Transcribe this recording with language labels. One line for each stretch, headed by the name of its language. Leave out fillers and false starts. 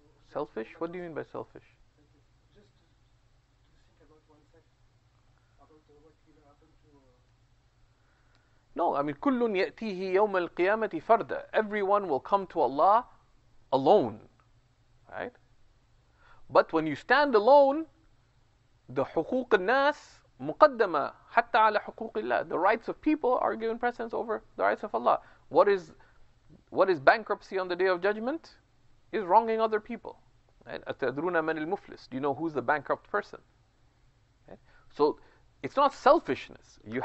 English: Selfish? What do you mean by selfish? Just to think about oneself, about what will happen to... No, I mean,
Arabic: كُلٌّ يَأْتِيهِ يَوْمَ الْقِيَامَةِ فَرْدًا.
English: Everyone will come to Allah alone. Right? But when you stand alone, the
Arabic: حقوق الناس مقدمة حتى على حقوق الله.
English: The rights of people are given precedence over the rights of Allah. What is bankruptcy on the Day of Judgment? Is wronging other people.
Arabic: أَتَدْرُونَ مَنِ الْمُفْلِسِ.
English: Do you know who's the bankrupt person? So it's not selfishness.